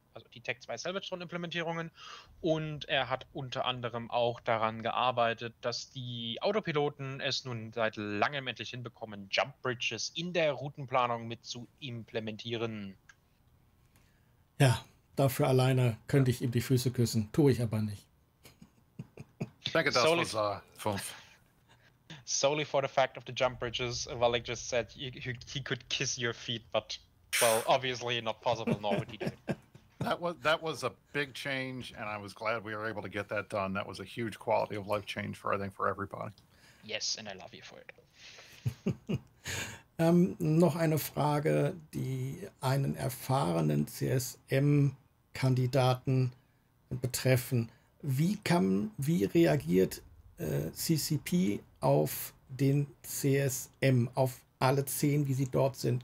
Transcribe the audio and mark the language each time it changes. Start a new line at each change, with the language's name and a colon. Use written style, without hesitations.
German: also die Tech 2 Salvatron-Implementierungen. Und er hat unter anderem auch daran gearbeitet, dass die Autopiloten es nun seit langem endlich hinbekommen, Jump Bridges in der Routenplanung mit zu implementieren. Ja, dafür alleine könnte ich ihm die Füße küssen. Tue ich aber nicht. Danke, das war's. Fünf.
English: Solely for the fact of the jump bridges, Valik just said he could kiss your feet, but well, obviously not possible, nor would he do it. That was a big change, and I was glad we were able to get that done. That was a huge quality of life change for, I think, for everybody. Yes, and I love you for it.
German: Noch eine Frage, die einen erfahrenen CSM-Kandidaten betreffen. Wie reagiert CCP auf den CSM, auf alle 10, wie sie dort sind?